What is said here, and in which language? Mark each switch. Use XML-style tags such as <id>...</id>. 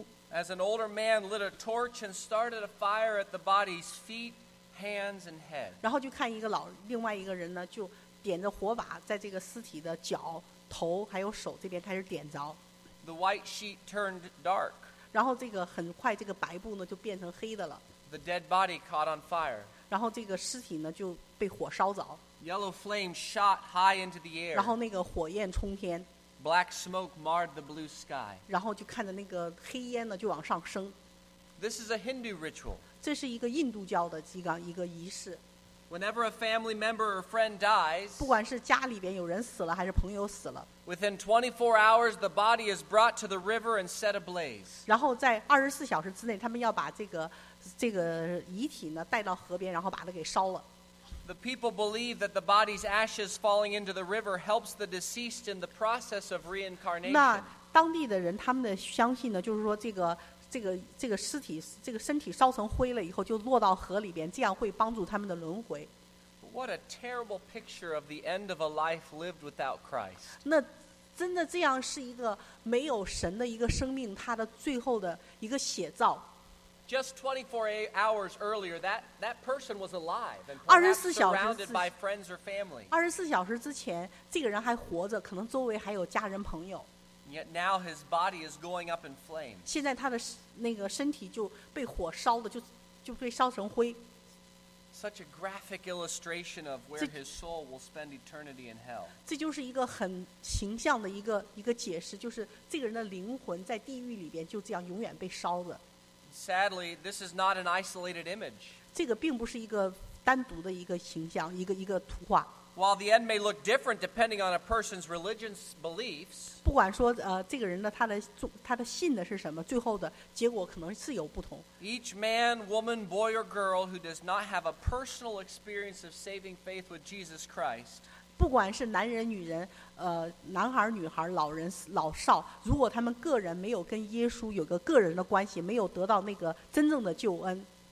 <en>As an older man lit a torch and started a fire at the body's feet, hands, and head.</en> <zh>然后就看另外一个人呢, 就点着火把, 在这个尸体的脚, 头, 还有手这边,</zh> <en>the white sheet turned dark.</en> <zh>然后这个很快, 这个白布呢,</zh> <en>the dead body caught on fire.</en> <zh>然后这个尸体呢,</zh> <en>yellow flame shot high into the air.</en> <zh>然后那个火焰冲天,</zh> <en>black smoke marred the blue sky.</en> <zh>然后就看着那个黑烟呢,</zh> <en>this is a Hindu ritual.</en> <zh>这是一个印度教的一个仪式。</zh> <en>Whenever a family member or friend dies,</en> <zh>不管是家里边有人死了还是朋友死了,</zh> <en>within 24 hours, the body is brought to the river and set ablaze.</en> <zh>然后在24小时之内, 他们要把这个遗体呢, 带到河边, 然后把它给烧了。</zh> <en>The people believe that the body's ashes falling into the river helps the deceased in the process of reincarnation.</en> <zh>那当地的人, 他们的相信呢, 就是说这个, 这个尸体, 这个身体烧成灰了以后, 就落到河里边, 这样会帮助他们的轮回。</zh> <en>What a terrible picture of the end of a life lived without Christ.</en> <zh>那真的这样是一个没有神的一个生命, 他的最后的一个写照。</zh> <en>Just 24 hours earlier, that person was alive and perhaps surrounded by friends or family.</en> <zh>24小时之前, 这个人还活着, 可能周围还有家人朋友。</zh> <en>Yet now his body is going up in flames.</en> <zh>现在他的那个身体就被火烧的, 就被烧成灰。</zh> <en>Such a graphic illustration of where his soul will spend eternity in hell.</en> <zh>这就是一个很形象的一个解释, 就是这个人的灵魂在地狱里边就这样永远被烧的。</zh> <en>Sadly, this is not an isolated image.</en> <zh>这个并不是一个单独的一个形象, 一个图画。</zh> <en>While the end may look different depending on a person's religious beliefs,</en> <zh>不管说这个人的, 他的信的是什么, 最后的结果可能是有不同。</zh> <en>Each man, woman, boy, or girl who does not have a personal experience of saving faith with Jesus Christ,</en> <zh>不管是男人女人, 男孩女孩, 老人老少, 如果他们个人没有跟耶稣有个个人的关系, 没有得到那个真正的救恩,</zh>